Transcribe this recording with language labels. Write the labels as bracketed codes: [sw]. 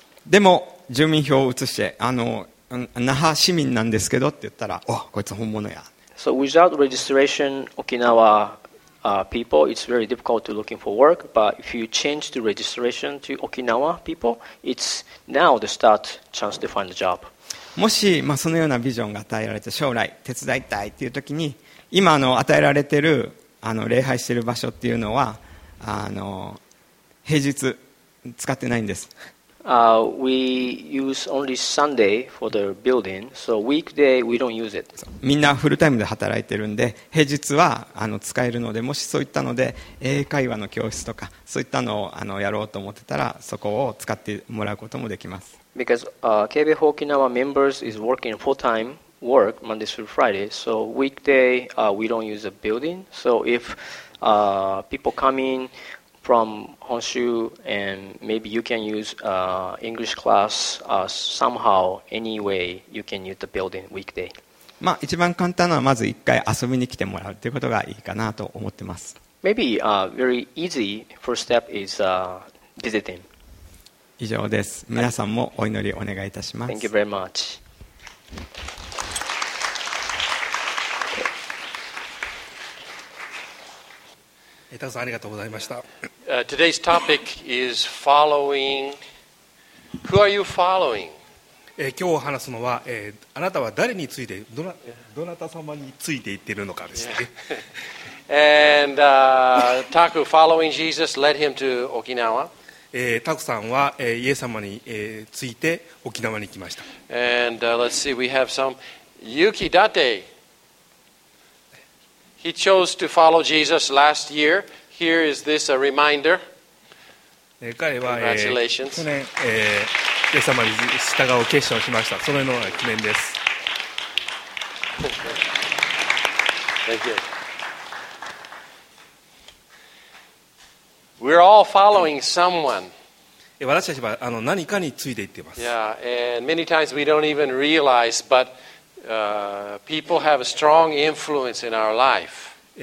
[ja] でも住民票を移して那覇市民なんですけどって言ったら、お、こいつ本物や。 [en] So without registration, Okinawa, people, it's very difficult to looking for work. But if you change the registration to Okinawa people, it's now the start chance to find a job. [ja] もし、そのようなビジョンが与えられて将来手伝いたいっていう時に今与えられている礼拝している場所っていうのは平日使ってないんです。 [en] We use only Sunday for the building, so weekday we don't use it. [ja] みんなフルタイムで働いてるんで、平日は使えるので、もしそういったので英会話の教室とかそういったのをやろうと思ってたら、そこを使ってもらうこともできます。 [en] Because KBE Okinawa members is working full-time work Monday through Friday, so weekday we don't use a building. So if people come in. From Honshu and maybe you can use English class somehow anyway you can use the building weekday. [ja] まあ一番簡単なのはまず一回遊びに来てもらうということがいいかなと思ってます。 [en] Maybe a very easy first step is visiting. [ja] 以上です。皆さんもお祈りお願いいたします。 [en] Thank you very much. [ja] エタさんありがとうございました。 [en] Today's topic is following. Who are you following? [ja] 今日話すのは、あなたは誰についてどなた様についていってるのかですね。 [en] Yeah. And Taku following Jesus led him to Okinawa. [ja] Taku さんは、イエス様に、ついて沖縄に来ました。 [en] And let's see, we have some Yuki Date. He chose to follow Jesus last year. Here is this a reminder. Congratulations. [ja] 去年、イエス様に従う決心をしました。そのような記念です。 [en] Thank you. We're all following someone. [ja] 私たちは何かについていっています。 [en] Yeah, and many times we don't even realize, but people have a strong influence in our life.